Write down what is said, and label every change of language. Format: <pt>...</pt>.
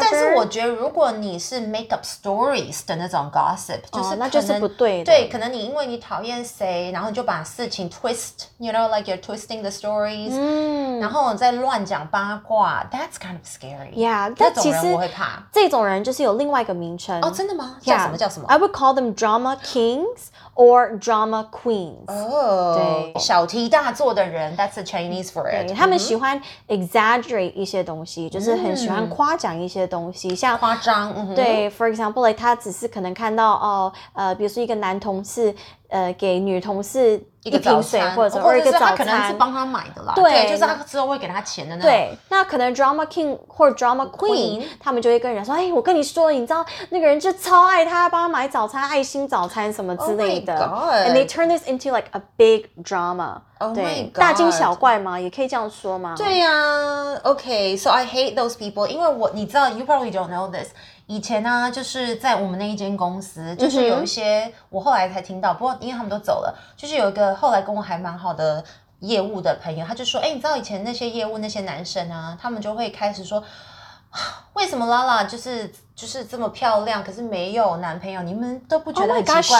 <zh>但是我觉得如果你是</zh> <en>make up stories</en> <zh>的那种 gossip，、哦、就是那就是不对的。对，可能你因为你讨厌谁，然后你就把事情</zh> <en>twist, you know, like you're twisting the stories,、</en> <zh>嗯、然后再乱讲八卦</zh> <en>that's kind of scary. Yeah,</en> <zh>这种人我会怕。这种人就是有另外一个名称。哦、oh, 真的吗、yeah. 叫什么</zh> <en>I would call them drama kings or drama queens. 哦、oh,</en> <zh>小题大做的人</zh> <en>that's the Chinese for it.</en> <zh>他们喜欢 exaggerate 一些东西、嗯、就是很喜欢夸奖一些东西像夸张、嗯、对</zh> <en>for example, like,</en> <zh>他只是可能看到、哦比如说一个男同事给女同事一瓶水或者是一个早餐可能是帮他买的啦对就是他之后会给他钱的那对那可能 drama king 或 drama queen 他们就会跟人说哎，我跟你说你知道那个人就超爱他帮他买早餐爱心早餐什么之类的、</zh> <en>oh、 and they turn this into like a big drama、 oh、</en> <zh>大惊小怪吗也可以这样说吗对啊</zh> <en>OK so I hate those people</en> <zh>因为我你知道</zh> <en>you probably don't know this</en> <zh>以前啊就是在我们那一间公司就是有一些、mm-hmm. 我后来才听到不过因为他们都走了就是有一个后来跟我还蛮好的业务的朋友他就说哎、欸、你知道以前那些业务那些男生啊他们就会开始说为什么 Lala 就是这么漂亮可是没有男朋友你们都不觉得很奇怪吗、</zh>